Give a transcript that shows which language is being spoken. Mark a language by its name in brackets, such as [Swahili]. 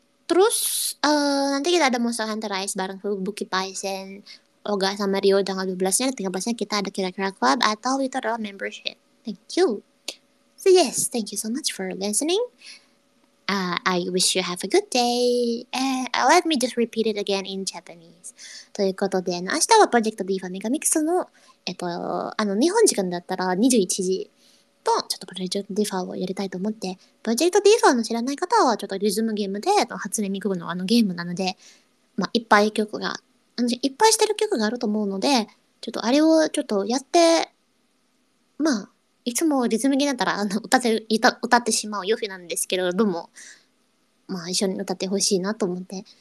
[Indonesian] Terus nanti kita ada Monster Hunter Rise bareng Bukit Paisen, Oga sama Rio tanggal 12-nya dan 13-nya kita ada Kira-Kira Club atau itu adalah membership. [English] Thank you. So yes, thank you so much for listening. I wish you have a good day. Let me just repeat it again in Japanese. [Japanese] ということで、明日はプロジェクトディファミガミクスの、日本時間だったら21時と、ちょっとプロジェクトディファをやりたいと思って、プロジェクトディファの知らない方は、ちょっとリズムゲームで、初音ミクのゲームなので、まあ、いっぱいしてる曲があると思うので、ちょっとあれをちょっとやって、まあ、いつもリズムゲームだったら歌ってしまうヨフィなんですけれども、まあ一緒に歌ってほしいなと思って。